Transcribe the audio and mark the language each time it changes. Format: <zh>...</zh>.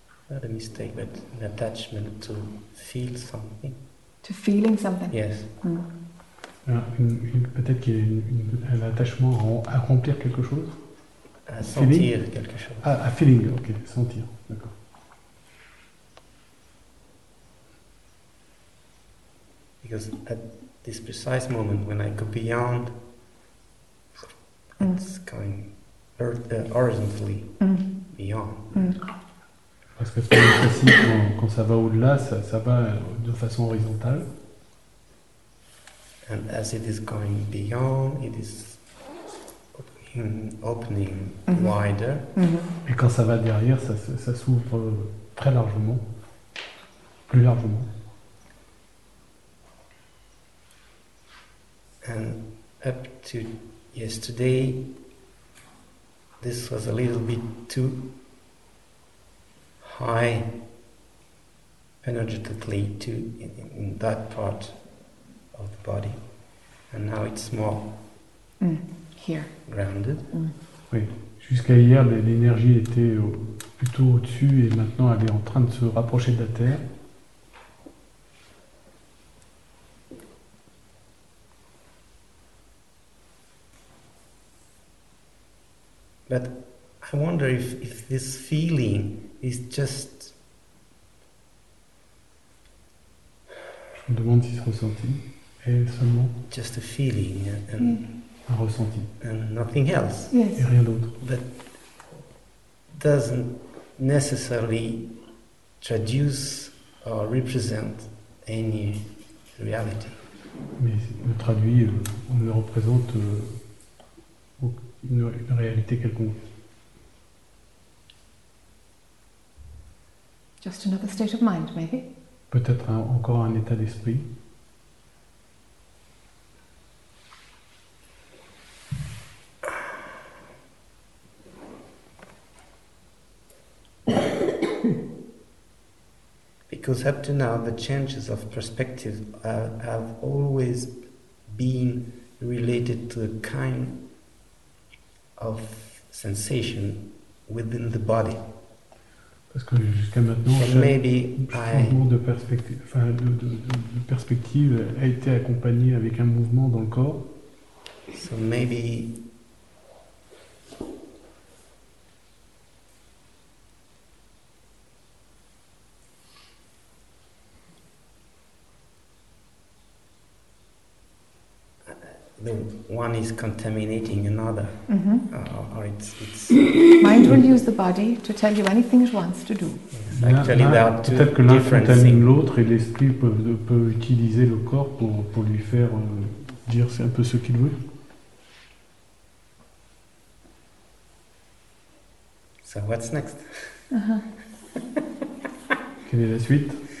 <en>Not a mistake, but an attachment to feel something. To feeling something. Yes.</en> <fr>Peut-être qu'il y a un attachement à remplir quelque chose. À sentir quelque chose. À feeling. Ok, sentir. D'accord.</fr> <en>Because at this precise moment, when I go beyond, it's going horizontally beyond.</en> <fr>Parce que c'est aussi quand ça va au-delà, ça va de façon horizontale.</fr> <en>And as it is going beyond, it is opening wider. Mm-hmm.</en> <fr>Et quand ça va derrière, ça s'ouvre très largement, plus largement.</fr> <en>And up to yesterday, this was a little bit too high, energetically, too in that part of the body, and now it's more here, grounded.</en> <fr>Oui, jusqu'à hier, l'énergie était plutôt au-dessus, et maintenant elle est en train de se rapprocher de la terre.</fr> <en>But I wonder if this feeling is just.</en> <fr>Je me demande si ce ressenti est seulement.</fr> <en>Just a feeling and.</en> <fr>Un ressenti.</fr> <en>And nothing else. Yes.</en> <fr>Et rien d'autre.</fr> <en>But doesn't necessarily traduce or represent any reality.</en> <fr>Mais le traduit, on le représente. Une réalité quelconque.</fr> <en>Just another state of mind, maybe.</en> <fr>Peut-être encore un état d'esprit.</fr> <en>Because up to now, the changes of perspective have always been related to a kind of sensation within the body.</en> <fr>Parce que jusqu'à maintenant, le changement de perspective a été accompagné avec un mouvement dans le corps.</fr> <en>So maybe one is contaminating another, or it's mind will use the body to tell you anything it wants to do. Yes. Actually, there are two</en> <fr>peut-être que l'un contamine l'autre et l'esprit peut utiliser le corps pour lui faire dire c'est un peu ce qu'il veut.</fr> <en>So what's next?</en> <fr>Quelle est la suite?</fr>